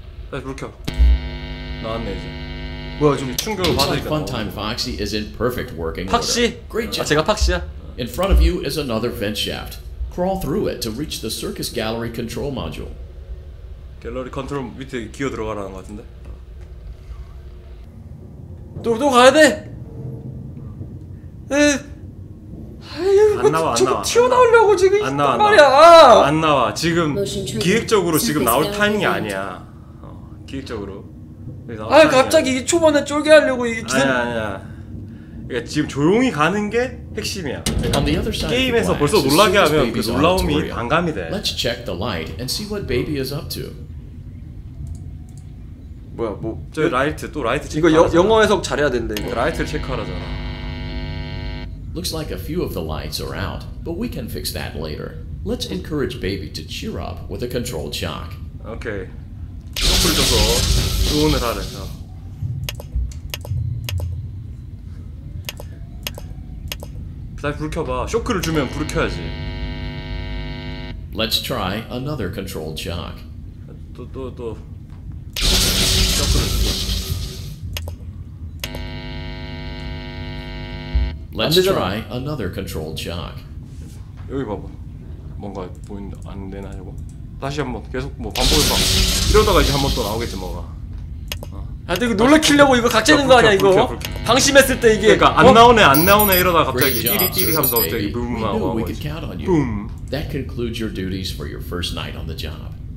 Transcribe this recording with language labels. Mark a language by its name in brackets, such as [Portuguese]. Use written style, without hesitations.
[Korean] 다시 불 켜. 뭐야 지금 충격을 받으니까. [English] Looks like Funtime Foxy is in perfect working order. [Korean] 팍시? 그래. 아 제가 팍시야? [English] In front of you is another vent shaft. Crawl through it to reach the circus gallery control module. [Korean] 갤러리 컨트롤 밑에 기어 들어가라는 거 같은데? 또 가야 돼? 에이. 아유. 안 나와 안 나와 튀어나오려고 지금 안 나와 말이야. 안 나와 지금 기획적으로 지금 나올 타이밍이 아니야. 기획적으로 아 갑자기 이 초반에 쫄게 하려고 이게 기사... 아니야 그러니까 지금 조용히 가는 게 핵심이야. 게임에서 벌써 놀라게 하면 그 놀라움이 반감이 돼. [English] Let's check the light and see what baby is up to. [Korean] 뭐야 뭐 저 라이트 또 라이트 이거 영어 해석 잘해야 된대. 이거 라이트를 체크하라잖아. [English] Looks like a few of the lights are out, but we can fix that later. Let's encourage baby to cheer up with a controlled shock. [Korean] Okay. 커플 줘서 응원을 하래. 다시 불 켜봐. 쇼크를 주면 불을 켜야지. [English] Let's try another controlled shock. [Korean] 또. 안되잖아. [English] Let's try another controlled shock. [Korean] 여기 봐봐. 뭔가 보인다. 안 되나 이거. 다시 한번 계속 뭐 반복해봐. 이러다가 이제 한번 또 나오겠지 뭐가. 아, 근데 이거 놀래키려고 이거 각재는 거 아니야 이거? 방심했을 때 이게. 그러니까 안 나오네 안 나오네 이러다가 갑자기 띠리띠리 하면서 갑자기 붐하고 하고 붐. [English] That concludes your duties for your first night on the job.